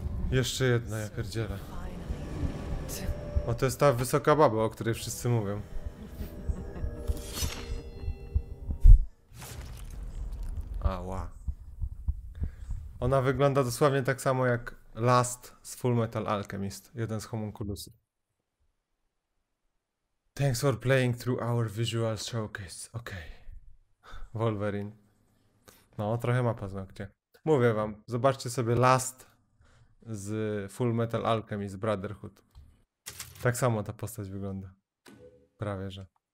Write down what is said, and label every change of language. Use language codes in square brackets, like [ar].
[pl] Jeszcze jedna, ja pierdzielę. O, to jest ta wysoka baba, o której wszyscy mówią. Ała. Ona wygląda dosłownie tak samo jak Last z Full Metal Alchemist, jeden z homunculusów. [en] Thanks for playing through our visual showcase. [pl] Okej. Okay. Wolverine. No, trochę ma paznokcie. Mówię wam, zobaczcie sobie Last z Full Metal Alchemist Brotherhood. Tak samo ta postać wygląda. Prawie że.